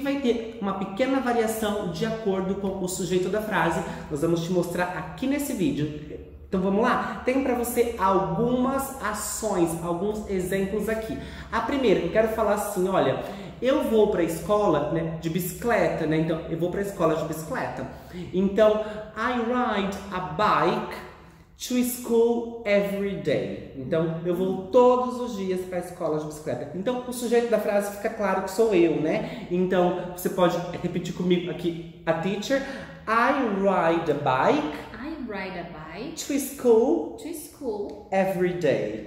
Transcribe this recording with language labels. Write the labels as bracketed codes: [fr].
[pt] E vai ter uma pequena variação de acordo com o sujeito da frase. Nós vamos te mostrar aqui nesse vídeo. Então vamos lá? Tem para você algumas ações, alguns exemplos aqui. A primeira, eu quero falar assim: olha, eu vou para a escola, né, de bicicleta, né? Então, eu vou para a escola de bicicleta. Então, [en] I ride a bike to school every day. [pt] Então, eu vou todos os dias para a escola de bicicleta. Então, o sujeito da frase fica claro que sou eu, né? Então, você pode repetir comigo aqui, a teacher: [en] I ride a bike I ride a bike to school to school every day.